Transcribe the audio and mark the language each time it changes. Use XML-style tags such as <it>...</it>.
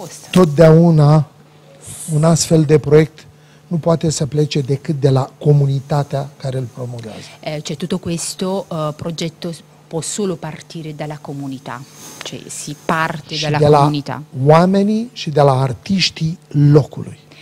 <ro>totdeauna un astfel de proiect nu poate să plece decât de la comunitatea care îl promovează.</ro> <it>Cioè tutto questo progetto può solo partire dalla comunità, cioè si parte dalla</it> <ro>de</ro> <it>comunità.</it> <ro>La oamenii și de la artiștii locului.</ro>